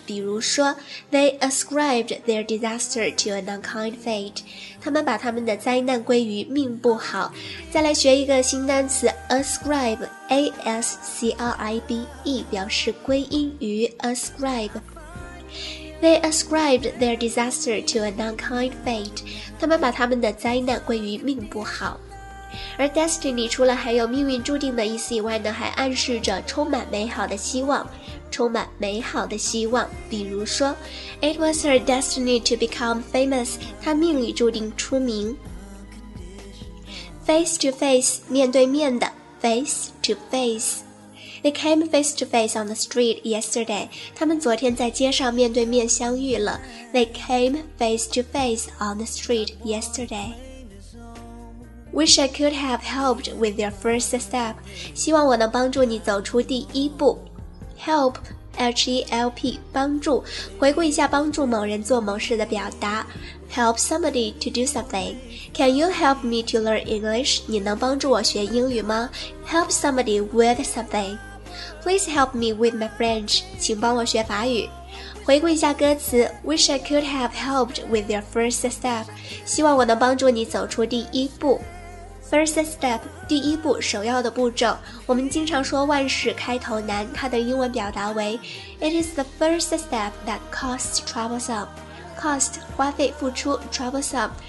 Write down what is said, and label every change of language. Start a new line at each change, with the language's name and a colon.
Chinese: 比如说
English: They ascribed their disaster to an unkind fate.
Chinese: 他们把他们的灾难归于命不好。再来学一个新单词
English: Ascribe, A-S-C-R-I-B-E
Chinese: 表示归因于 Ascribe。
English: They ascribed their disaster to an unkind fate.
Chinese: 他们把他们的灾难归于命不好。而 destiny 除了还有命运注定的意思以外呢，还暗示着充满美好的希望，充满美好的希望。比如说
English: ，It was her destiny to become famous.
Chinese: 她命里注定出名。
English: Face to face,
Chinese: 面对面的
English: face to face. They came face to face on the street yesterday.
Chinese: 他们昨天在街上面对面相遇了。
English: They came face to face on the street yesterday. Wish I could have helped with your first step.
Chinese: 希望我能帮助你走出第一步。
English: Help, H-E-L-P,
Chinese: 帮助。回顾一下帮助某人做某事的表达。
English: Help somebody to do something. Can you help me to learn English?
Chinese: 你能帮助我学英语吗？
English: Help somebody with something. Please help me with my French.
Chinese: 请帮我学法语。回顾一下歌词
English: Wish I could have helped with your first step.
Chinese: 希望我能帮助你走出第一步。
English: First step,
Chinese: 第一步，首要的步骤。我们经常说万事开头难，它的英文表达为
English: It is the first step that costs troublesome. Cost,
Chinese: 花费付出
English: troublesome.